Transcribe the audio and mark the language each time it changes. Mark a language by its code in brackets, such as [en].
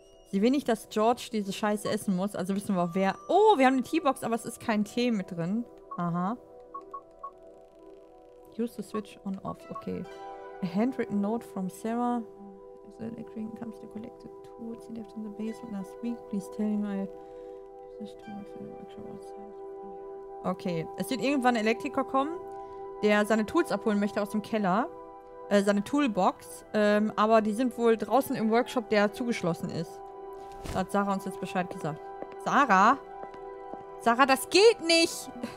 [de] Sie will nicht, dass George diese Scheiße essen muss. Also wissen wir auch, wer... Oh, wir haben eine Teabox, aber es ist kein Tee mit drin. Aha. [en] Use the switch on off. [de] Okay. [en] A handwritten note from Sarah. If the electrician comes to collect the tools he left in the basement last week, please tell him I just want to make sure what's happening. [de] Okay, es wird irgendwann ein Elektriker kommen, der seine Tools abholen möchte aus dem Keller. Seine Toolbox, aber die sind wohl draußen im Workshop, der zugeschlossen ist. Da hat Sarah uns jetzt Bescheid gesagt. Sarah? Sarah, das geht nicht!